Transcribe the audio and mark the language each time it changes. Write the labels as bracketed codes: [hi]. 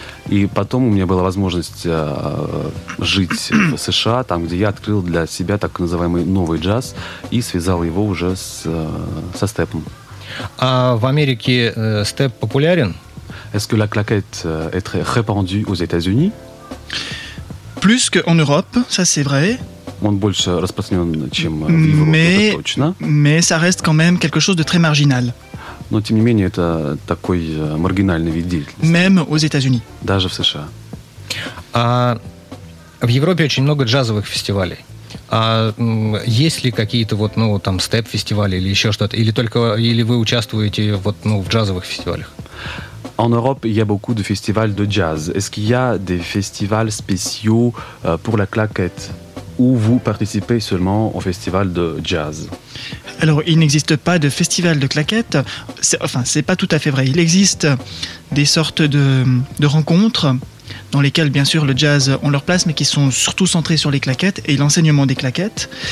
[ru] И потом у меня была возможность жить в США, там, где я открыл для себя так называемый новый джаз и связал его уже со степом. А в Америке степ популярен? [fr] Est-ce que la claquette est très répandue aux États-Unis? Plus qu'en Europe, ça c'est vrai. [ru] Он больше распространен, чем в Европе, это точно. [fr] Mais ça reste quand même quelque chose de très marginal. [ru] Но, тем не менее, это такой маргинальный вид деятельности. [fr] Même aux États-Unis. [ru] Даже в США. А в Европе очень много джазовых фестивалей. А есть ли какие-то вот, ну, там, степ-фестивали или еще что-то? Или только, или вы участвуете вот, ну, в джазовых фестивалях? [fr] En Europe, il y a beaucoup de festivals de jazz. Est-ce qu'il y a des festivals spéciaux pour la claquette où vous participez seulement au festival de jazz? Alors, il n'existe pas de festival de claquette. C'est, enfin, c'est pas tout à fait vrai. Il existe des sortes de rencontres dans lesquelles, bien sûr, le jazz a leur place, mais qui sont surtout centrées sur les claquettes et l'enseignement des claquettes.